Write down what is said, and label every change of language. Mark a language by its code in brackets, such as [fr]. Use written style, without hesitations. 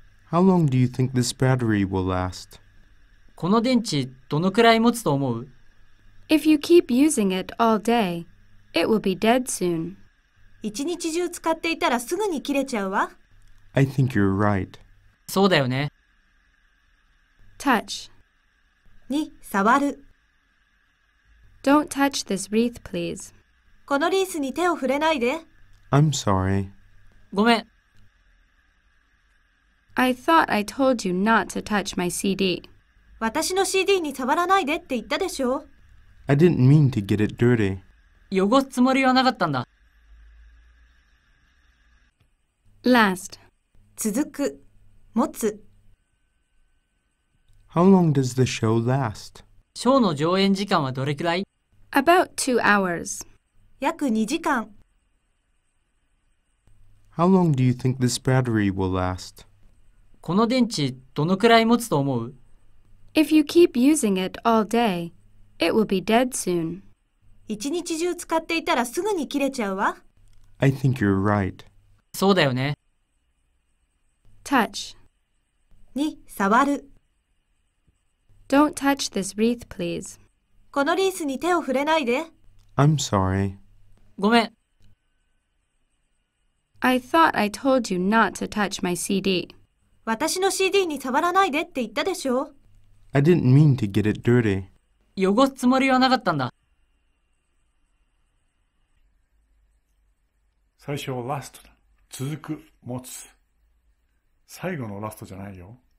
[en] How long do you think this battery will last? [ja] この電池どのくらい持つと思う? [en] If you keep using it all day, it will be dead soon. [ja] 一日中使っていたらすぐに切れちゃうわ。 [en] I think you're right. [ja] そうだよね。 [en] Touch. [ja] に触る。 [en] Don't touch this wreath, please. [ja] このリースに手を触れないで。 [en] I'm sorry. [ja] ごめん。 [en] I thought I told you not to touch my CD. [ja] 私の CD に触らないでって言ったでしょ。 [en] I didn't mean to get it dirty. [ja] 汚すつもりはなかったんだ。 [en] Last. [ja] 続く。持つ。 [en] How long does the show last? [ja] ショーの上演時間はどれくらい? [en] About 2 hours. [ja] 約2時間。 [en] How long do you think this battery will last? [ja] この電池どのくらい持つと思う? [en] If you keep using it all day, it will be dead soon. [ja] 一日中使っていたらすぐに切れちゃうわ。 [en] I think you're right. [ja] そうだよね。 [en] Touch. [ja] に触る。 [en] Don't touch this wreath, please. [ja] このリースに手を触れないで。 [en] I'm sorry. [ja] ごめん。 [en] I thought I told you not to touch my CD. [ja] 私の CD に触らないでって言ったでしょ。 [en] I didn't mean to get it dirty. [ja] 汚すつもりはなかったんだ。最初はラスト。続く、持つ。最後のラストじゃないよ。